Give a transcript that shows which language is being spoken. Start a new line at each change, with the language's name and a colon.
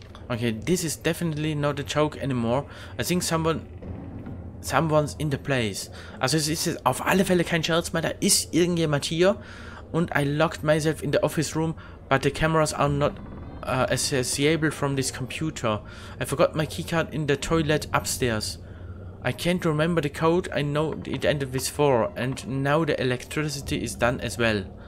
English: Okay, this is definitely not a joke anymore. I think someone's in the place.
German: Also es ist jetzt auf alle Fälle kein Scherz mehr. Da ist irgendjemand hier.
English: Und I locked myself in the office room, but the cameras are not accessible from this computer. I forgot my keycard in the toilet upstairs. I can't remember the code. I know it ended with 4. And now the electricity is done as well.